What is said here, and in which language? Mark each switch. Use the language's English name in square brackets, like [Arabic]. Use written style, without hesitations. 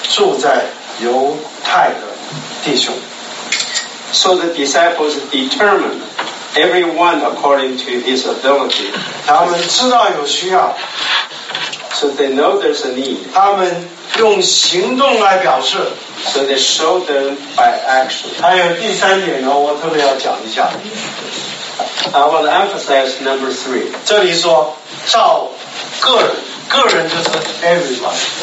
[Chinese] 于是门徒定义是照个人的力量捐钱送去供给住在犹太的弟兄 [English] So the disciples determined Everyone according to his ability. [Chinese] 他们知道有需要, [English] so they know there's a need. [Chinese] 他们用行动来表示, [English] so they show them by action. [Chinese] 还有第三点呢, 我特别要讲一下。 [English] I want to emphasize number three. [Chinese] 这里说, 照个人, 个人就是 everyone.